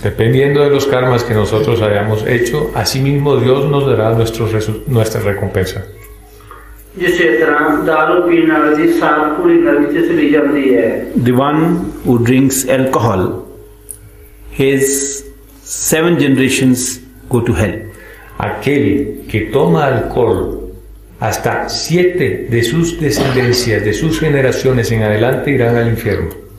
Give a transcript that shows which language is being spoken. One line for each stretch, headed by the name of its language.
Spanish: Dependiendo de los karmas que nosotros hayamos hecho, así mismo Dios nos dará nuestra recompensa.
English: The one who drinks alcohol, his 7 generations go to hell.
Spanish: Aquel que toma alcohol, hasta 7 de sus descendencias, de sus generaciones en adelante, irán al infierno.